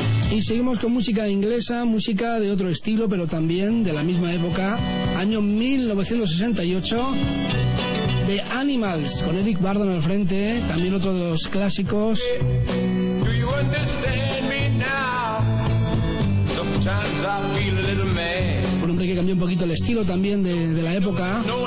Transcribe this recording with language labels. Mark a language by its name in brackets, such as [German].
[Spanish] Y seguimos con música inglesa, música de otro estilo, pero también de la misma época, año 1968, The Animals, con Eric Burdon al frente, también otro de los clásicos. [English] Do you understand me now? Sometimes I feel a little mad. [Spanish] Un hombre que cambió un poquito el estilo también de la época.